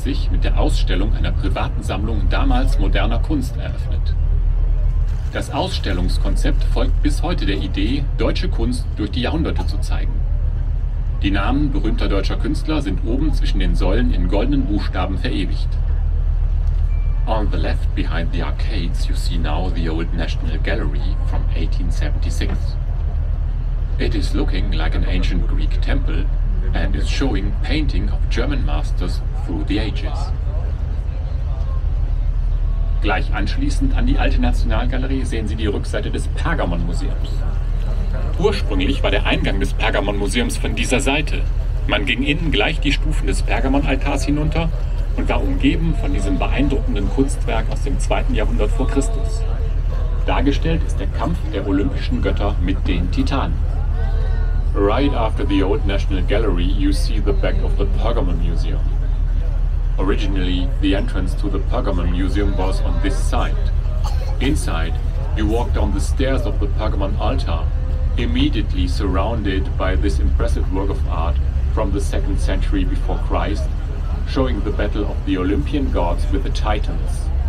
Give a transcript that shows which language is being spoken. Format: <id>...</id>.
<de>Mit der Ausstellung einer privaten Sammlung damals moderner Kunst eröffnet. Das Ausstellungskonzept folgt bis heute der Idee, deutsche Kunst durch die Jahrhunderte zu zeigen. Die Namen berühmter deutscher Künstler sind oben zwischen den Säulen in goldenen Buchstaben verewigt.</de> <en>On the left behind the arcades you see now the old National Gallery from 1876. It is looking like an ancient Greek temple and is showing painting of German masters through the ages.</en> <de>Gleich anschließend an die Alte Nationalgalerie sehen Sie die Rückseite des Pergamonmuseums. Ursprünglich war der Eingang des Pergamonmuseums von dieser Seite. Man ging innen gleich die Stufen des Pergamonaltars hinunter und war umgeben von diesem beeindruckenden Kunstwerk aus dem 2. Jahrhundert vor Christus. Dargestellt ist der Kampf der olympischen Götter mit den Titanen.</de> <en>Right after the old National Gallery, you see the back of the Pergamon Museum. Originally, the entrance to the Pergamon Museum was on this side. Inside, you walk down the stairs of the Pergamon altar, immediately surrounded by this impressive work of art from the 2nd century before Christ, showing the battle of the Olympian gods with the Titans.</en>